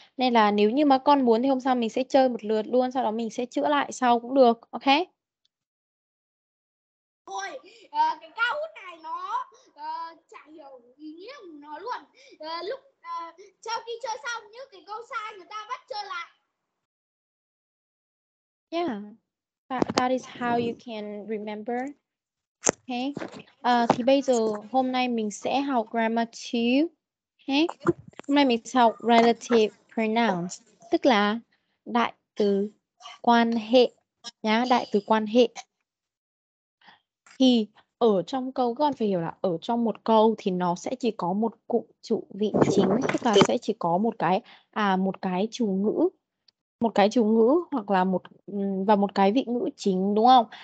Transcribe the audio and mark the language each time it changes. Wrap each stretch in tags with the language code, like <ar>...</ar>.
<vi>Nên là nếu như mà con muốn thì hôm sau mình sẽ chơi một lượt luôn, sau đó mình sẽ chữa lại sau cũng được, ok? Ôi, cái cao hút này nó chả hiểu ý nghĩa của nó luôn. Lúc sau khi chơi xong, những cái câu sai người ta bắt chơi lại.</vi> <en>Yeah, that is how you can remember. Ok.</en> <vi>Thì bây giờ hôm nay mình sẽ học grammar 2. Hôm nay mình sẽ học relative pronouns, tức là đại từ quan hệ nhá, đại từ quan hệ. Thì ở trong câu, các con phải hiểu là ở trong một câu thì nó sẽ chỉ có một cụm chủ vị chính, tức là sẽ chỉ có một cái chủ ngữ, một cái chủ ngữ hoặc là một và một cái vị ngữ chính, đúng không?</vi>